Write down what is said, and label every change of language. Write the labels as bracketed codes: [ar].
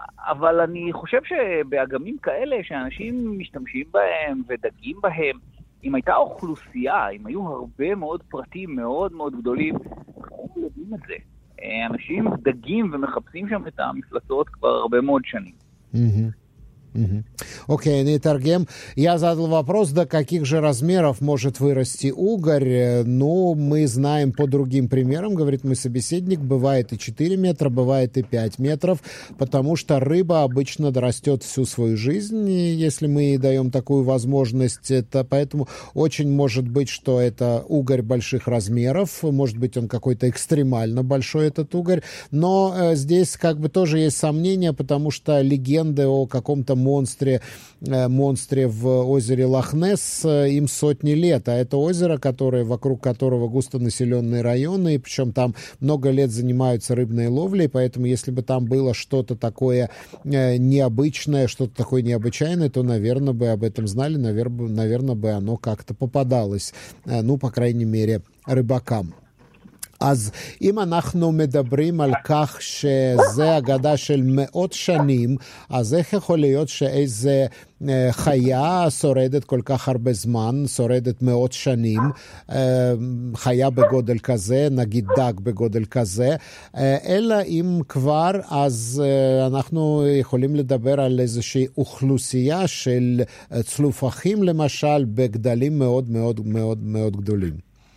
[he] אבל אני חושב שבאגמים כאלה, שאנשים משתמשים בהם ודגים בהם, אם הייתה אוכלוסייה, אם היו הרבה מאוד פרטים מאוד מאוד גדולים, אנחנו יודעים את זה. אנשים דגים ומחפשים שם את המפלצות כבר הרבה מאוד שנים. [ru] Mm-hmm. Окей, Нейтаргем. Я задал вопрос, до каких же размеров может вырасти угорь. Ну, мы знаем по другим примерам, говорит мой собеседник, бывает и 4 метра, бывает и 5 метров, потому что рыба обычно дорастет всю свою жизнь, если мы ей даем такую возможность. Это поэтому очень может быть, что это угорь больших размеров, может быть, он какой-то экстремально большой, этот угорь. Но здесь как бы тоже есть сомнения, потому что легенды о каком-то монстре в озере Лох-Несс, им сотни лет, а это озеро, которое, вокруг которого густонаселенные районы, и причем там много лет занимаются рыбной ловлей, поэтому если бы там было что-то такое необычное, что-то такое необычайное, то, наверное, бы об этом знали, наверное, бы оно как-то попадалось, ну, по крайней мере, рыбакам. [he] אז אם אנחנו מדברים על כך שזה אגדה של מאות שנים, אז איך יכול להיות שאיזה חיה שורדת כל כך הרבה זמן, שורדת מאות שנים, חיה בגודל כזה, נגיד דג בגודל כזה, אלא אם כבר, אז אנחנו יכולים לדבר על איזושהי אוכלוסייה של צלופחים, למשל, בגדלים מאוד מאוד מאוד מאוד גדולים.